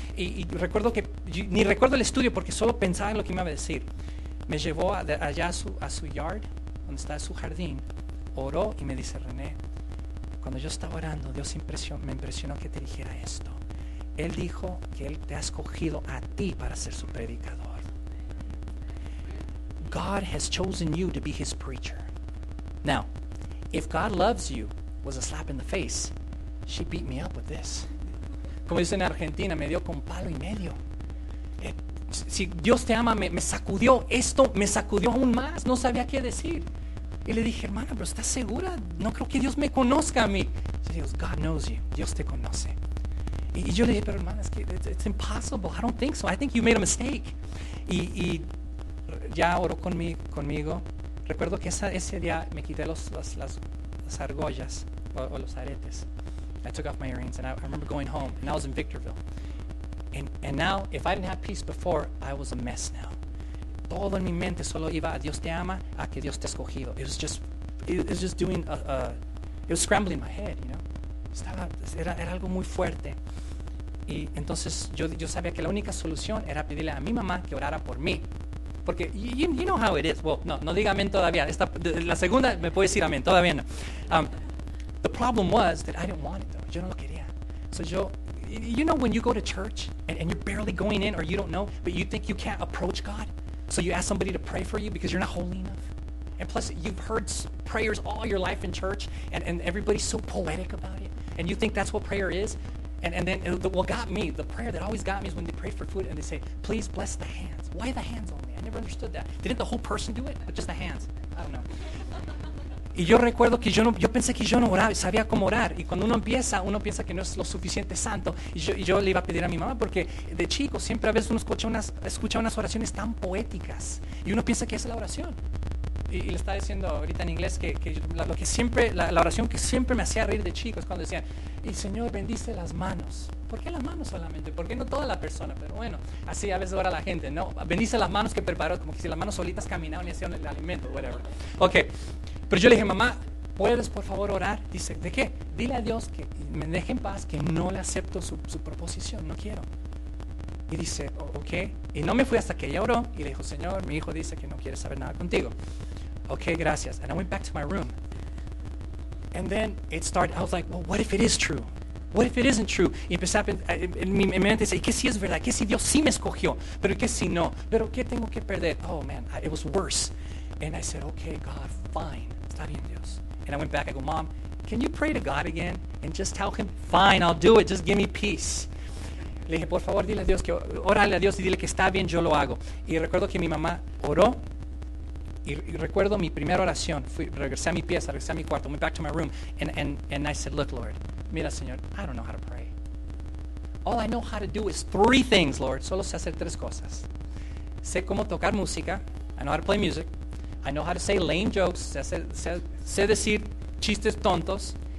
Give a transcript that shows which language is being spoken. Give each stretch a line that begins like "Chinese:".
Spanish: Y recuerdo que, ni recuerdo el estudio porque solo pensaba en lo que me iba a decir. Me llevó allá a su yard, donde está su jardín. Oró y me dice, René, cuando yo estaba orando, Dios me impresionó que te dijera esto. Él dijo que Él te ha escogido a ti para ser su predicador.
English: God has chosen you to be his preacher. Now, if God loves you was a slap in the face, she beat me up with this.
Spanish: Como dicen en Argentina, me dio con palo y medio. Si Dios te ama, me sacudió. Esto me sacudió aún más. No sabía qué decir. Y le dije, hermana, ¿pero estás segura? No creo que Dios me conozca a mí.
English: She goes, God knows you.
Spanish: Dios te conoce. Y yo le dije, pero hermana, es que
English: it's impossible. I don't think so. I think you made a mistake.
Spanish: Y ya oró conmigo. Recuerdo que ese día me quité las argollas o los aretes.
English: I took off my earrings and I remember going home. And I was in Victorville. And now, if I didn't have peace before, I was a mess now.
Spanish: Todo en mi mente solo iba a Dios te ama, a que Dios te ha escogido.
English: It was scrambling my head, you know.
Spanish: Era algo muy fuerte. Y entonces yo sabía que la única solución era pedirle a mi mamá que orara por mí. Porque
English: you know how it is. Well,
Spanish: no diga amén todavía. La segunda me puede decir amén, todavía no.
English: The problem was that I didn't want it though.
Spanish: Yo no lo quería.
English: So yo, you know when you go to church and you're barely going in or you don't know, but you think you can't approach God? So you ask somebody to pray for you because you're not holy enough. And plus, you've heard prayers all your life in church, and everybody's so poetic about it. And you think that's what prayer is. The prayer that always got me is when they pray for food and they say, please bless the hands. Why the hands only? I never understood that. Didn't the whole person do it? But just the hands. I don't know.
Spanish: Y yo recuerdo que yo pensé que yo no oraba, sabía cómo orar. Y cuando uno piensa que no es lo suficiente santo. Y yo le iba a pedir a mi mamá, porque de chico siempre a veces uno escucha unas oraciones tan poéticas. Y uno piensa que es la oración. Y le estaba diciendo ahorita en inglés que la oración que siempre me hacía reír de chico es cuando decían: y Señor, bendice las manos. ¿Por qué las manos solamente? ¿Por qué no toda la persona? Pero bueno, así a veces ora la gente, ¿no? Bendice las manos que preparó, como que si las manos solitas caminaban y hacían el alimento, whatever. Ok, pero yo le dije: mamá, ¿puedes por favor orar? Dice: ¿de qué? Dile a Dios que me deje en paz, que no le acepto su proposición, no quiero. Y dice: ok. Y no me fui hasta que ella oró y le dijo: Señor, mi hijo dice que no quiere saber nada contigo. Ok, gracias.
English: And I went back to my room. And then it started, I was like, well, what if it is true? What if it isn't true?
Spanish: Y empecé a pensar, en mi mente dice, ¿qué si es verdad? ¿Qué si Dios sí me escogió? ¿Pero qué si no? ¿Pero qué tengo que perder?
English: Oh, man, it was worse. And I said, okay, God, fine.
Spanish: Está bien, Dios.
English: And I went back, I go, mom, can you pray to God again? And just tell him, fine, I'll do it. Just give me peace.
Spanish: Le dije, por favor, dile a Dios, que órale a Dios y dile que está bien, yo lo hago. Y recuerdo que mi mamá oró. Y recuerdo mi primera oración. Regresé a mi pieza, regresé a mi cuarto.
English: Went back to my room. And I said, look, Lord.
Spanish: Mira, Señor,
English: I don't know how to pray. All I know how to do is three things, Lord.
Spanish: Solo sé hacer tres cosas. Sé cómo tocar música.
English: I know how to play music. I know how to say lame jokes.
Spanish: Sé decir chistes tontos.